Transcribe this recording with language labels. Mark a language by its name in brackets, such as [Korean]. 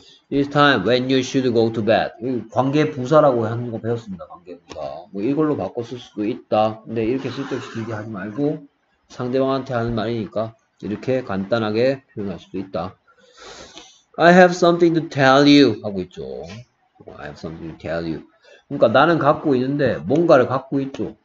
[English] It's time when you should go to bed. [Korean] 관계부사라고 하는 거 배웠습니다. 관계부사. 뭐 이걸로 바꿔 쓸 수도 있다. 근데 이렇게 쓸데없이 길게 하지 말고 상대방한테 하는 말이니까 이렇게 간단하게 표현할 수도 있다. [English] I have something to tell you [Korean] 하고 있죠. [English] I have something to tell you. [Korean] 그러니까 나는 갖고 있는데 뭔가를 갖고 있죠.